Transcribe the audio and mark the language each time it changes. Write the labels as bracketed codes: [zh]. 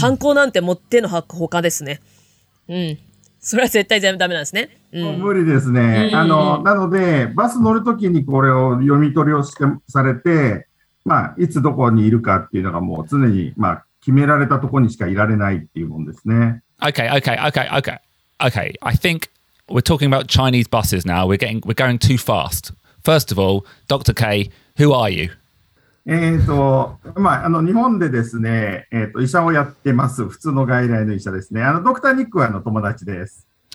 [ja] 観光なんて持っての他ですね。それは絶対全部ダメなんですね。無理ですね。なので、バス乗るときにこれを読み取りをされて、まあ、いつどこにいるかっていうのがもう常に、まあ、決められたところにしかいられないっていうもんですね。 [en] Okay, okay, okay, okay, okay. I think we're talking about Chinese buses now. We're going too fast. First of all, Dr. K, who are you? [ja] まあ、あの日本でですね、医者をやってます。普通の外来の医者ですね。あのドクターニックはの友達です。